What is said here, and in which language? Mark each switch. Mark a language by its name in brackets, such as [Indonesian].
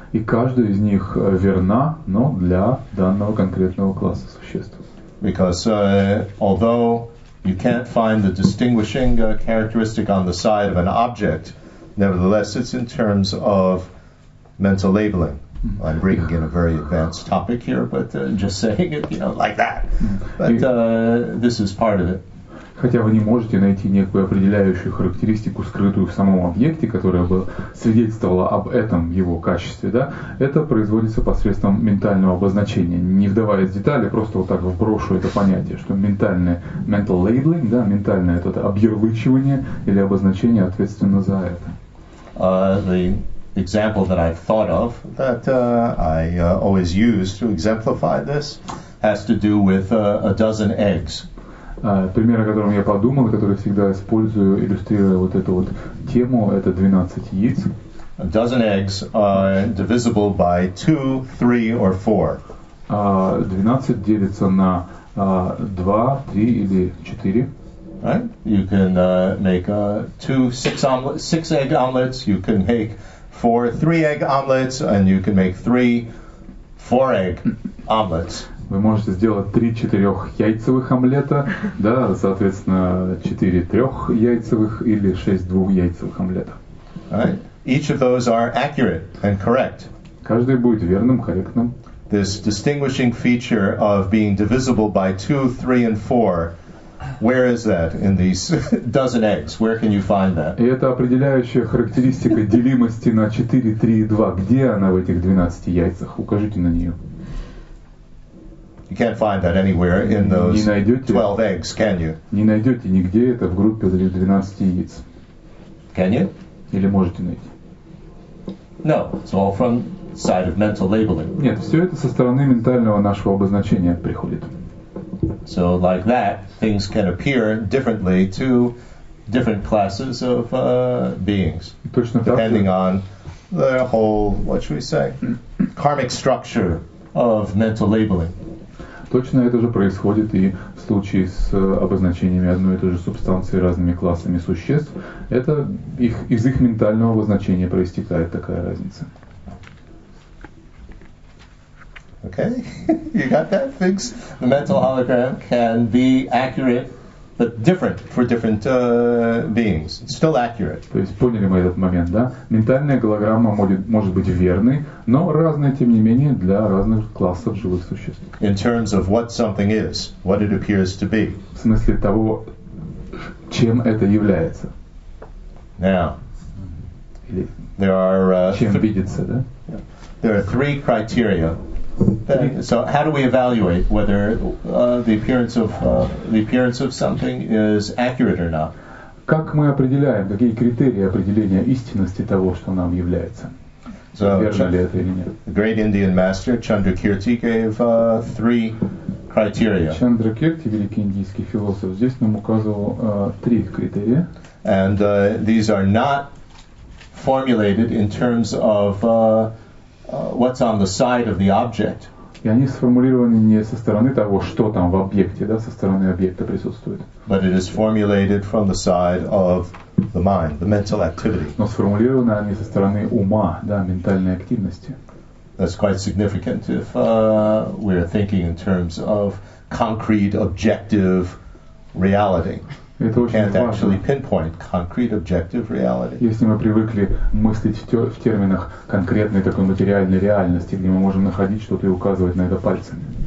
[Russian] И каждая из них верна, но для данного конкретного класса существ. [English] Because although you can't find the distinguishing characteristic on the side of an object, nevertheless it's in terms of mental labeling. I'm bringing in a very advanced topic here, but just saying it, you know, like that. But this is part of it. [Russian] Хотя вы не можете найти некую определяющую характеристику, скрытую в самом объекте, которая бы свидетельствовала об этом его качестве, да, это производится посредством ментального обозначения. Не вдаваясь в детали, просто вот так вброшу это понятие, что ментальное mental labeling, да, ментальное это объявлычивание или обозначение ответственно за это. [English] Example that I've thought of that I always use to exemplify this has to do with a dozen eggs. [Russian] Пример, о котором я подумал, который всегда использую, иллюстрируя вот эту вот тему, это 12 яиц. [English] A dozen eggs are divisible by 2, 3, or 4. [Russian] 12 делится на 2, 3 или 4. [English] Right? You can make six egg omelets, you can make 4 3-egg omelets, and you can make 3 4-egg omelets. [Russian] Вы можете сделать 3 4-яйцевых омлета, да, соответственно 4 3-яйцевых или 6 2-яйцевых омлета. [English] Right. Each of those are accurate and correct. [Russian] Каждый будет верным, корректным. [English] This distinguishing feature of being divisible by 2, 3, and 4. Where is that in these dozen eggs? Where can you find that? [Russian] И это определяющая характеристика делимости на 4, 3 и 2. Где она в этих 12 яйцах? Укажите на нее. [English] You can't find that anywhere in those 12 eggs, can you? [Russian] Не найдете нигде это в группе 12 яиц. [English] Can you? [Russian] Или можете найти? [English] No, it's all from side of mental labeling. [Russian] Нет, все это со стороны ментального нашего обозначения приходит. [English] So like that, things can appear differently to different classes of beings, depending on the whole, what should we say, karmic structure of mental labeling. [Russian] Точно это же происходит и в случае с обозначениями одной и той же субстанции разными классами существ. Это их, из их ментального обозначения проистекает такая разница. [English] Okay, you got that? Things, the mental hologram can be accurate, but different for different beings. It's still accurate. [Russian] То есть поняли мы этот момент, да? Ментальная голограмма может быть верной, но разной, тем не менее, для разных классов живых существ. [English] In terms of what something is, what it appears to be. [Russian] В смысле того, чем это является. [English] Now, there are there are three criteria. That, so how do we evaluate whether the appearance of something is accurate or not? [Russian] Как мы определяем, какие критерии определения истинности того, что нам является? [English] So, [Russian] верно ли это или нет? [English] Great Indian master Chandrakirti gave three criteria. [Russian] Чандракирти, великий индийский философ, здесь нам указывал три критерия. [English] And these are not formulated in terms of what's on the side of the object. [Russian] И они сформулированы не со стороны того, что там в объекте, да, со стороны объекта присутствует. [English] But it is formulated from the side of the mind, the mental activity. [Russian] Но сформулированы они со стороны ума, да, ментальной активности. [English] That's quite significant if we are thinking in terms of concrete, objective reality. [Russian] Это очень [English] can't [Russian] важно. [English] Actually pinpoint concrete objective reality. [Russian] Если мы привыкли мыслить в терминах конкретной такой материальной реальности, где мы можем находить что-то и указывать на это пальцами.